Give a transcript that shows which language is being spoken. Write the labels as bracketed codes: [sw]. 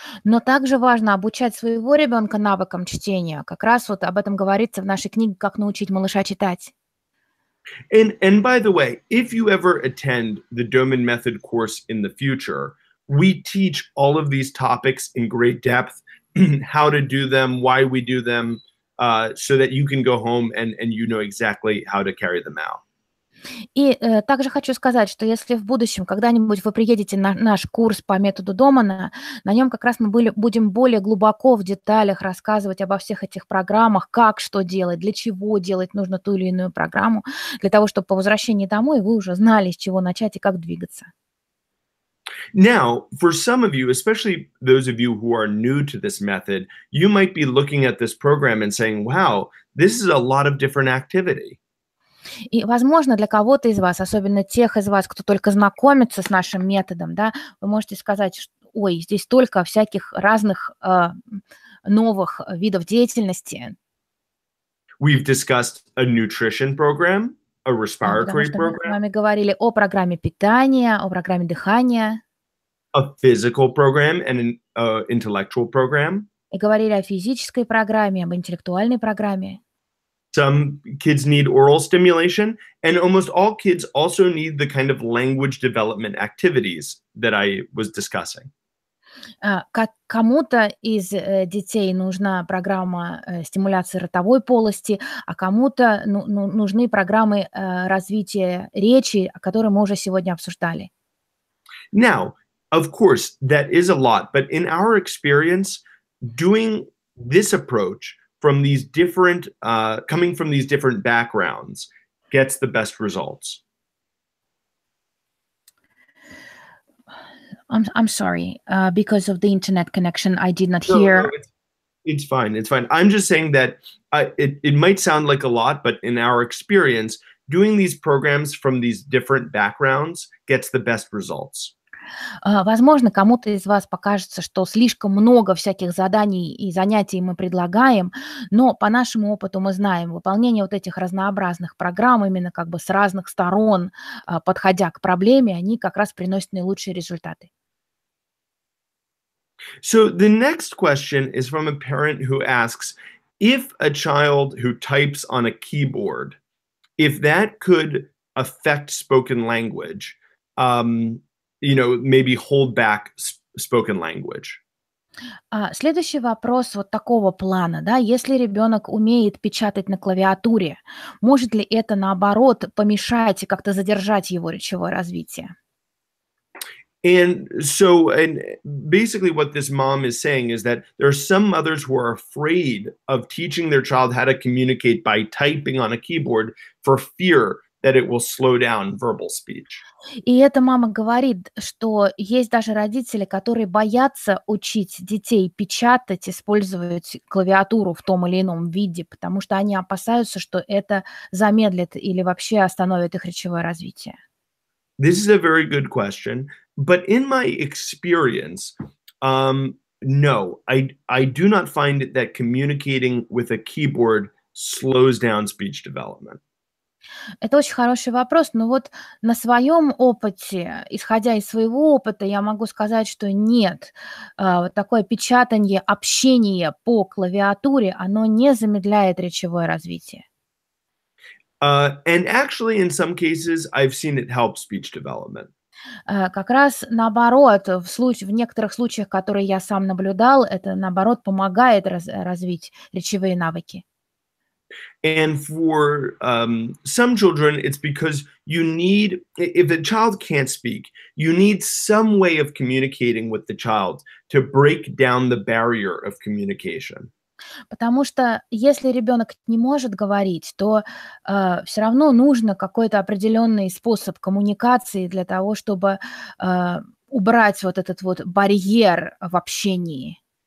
[ru] Но также важно обучать своего ребенка навыкам чтения. Как раз вот об этом говорится в нашей книге «Как научить малыша читать». [en] And by the way, if you ever attend the Doman Method course in the future, we teach all of these topics in great depth, how to do them, why we do them, so that you can go home and you know exactly how to carry them out. [ru] И также хочу сказать, что если в будущем когда-нибудь вы приедете на наш курс по методу Домана, на нем как раз мы будем более глубоко в деталях рассказывать обо всех этих программах, как что делать, для чего делать нужно ту или иную программу, для того, чтобы по возвращении домой вы уже знали, с чего начать и как двигаться. [en] Now, for some of you, especially those of you who are new to this method, you might be looking at this program and saying, wow, this is a lot of different activity. [ru] И, возможно, для кого-то из вас, особенно тех из вас, кто только знакомится с нашим методом, да, вы можете сказать, что, ой, здесь столько всяких разных новых видов деятельности. [en] We've discussed a nutrition program, a respiratory program. [ru] Мы с вами говорили о программе питания, о программе дыхания. [en] A physical program and an intellectual program. [ru] И говорили о физической программе, об интеллектуальной программе. [en] Some kids need oral stimulation, and almost all kids also need the kind of language development activities that I was discussing. [ru] Кому-то из детей нужна программа стимуляции ротовой полости, а кому-то нужны программы развития речи, которые мы уже сегодня обсуждали. [en] Now, of course, that is a lot, but in our experience, doing this approach from these different, coming from these different backgrounds, gets the best results. I'm sorry, because of the internet connection, I did not hear. No, it's fine. I'm just saying that it might sound like a lot, but in our experience, doing these programs from these different backgrounds gets the best results. [ru] Возможно, кому-то из вас покажется, что слишком много всяких заданий и занятий мы предлагаем, но по нашему опыту мы знаем, выполнение вот этих разнообразных программ именно как бы с разных сторон, подходя к проблеме, они как раз приносят наилучшие результаты. [en] So the next question is from a parent who asks, if a child who types on a keyboard, if that could affect spoken language, you know, maybe hold back spoken language. [ru] Следующий вопрос вот такого плана, да, если ребенок умеет печатать на клавиатуре, может ли это, наоборот, помешать и как-то задержать его речевое развитие? [en] And so, and basically what this mom is saying is that there are some mothers who are afraid of teaching their child how to communicate by typing on a keyboard for fear that it will slow down verbal speech. [ru] И эта мама говорит, что есть даже родители, которые боятся учить детей печатать, использовать клавиатуру в том или ином виде, потому что они опасаются, что это замедлит или вообще остановит их речевое развитие. [en] This is a very good question, but in my experience, No, I do not find it that communicating with a keyboard slows down speech development. [ru] Это очень хороший вопрос, но вот на своем опыте, исходя из своего опыта, я могу сказать, что нет, такое печатание, общение по клавиатуре, оно не замедляет речевое развитие. [en] And actually, in some cases, I've seen it help speech development. [ru] Как раз наоборот, в некоторых случаях, которые я сам наблюдал, это наоборот помогает развить речевые навыки. [en] And for some children, it's because if the child can't speak, you need some way of communicating with the child to break down the barrier of communication. [ru] Потому что если ребенок не может говорить, то все равно нужно какой-то определенный способ коммуникации для того, чтобы убрать вот этот вот барьер в общении.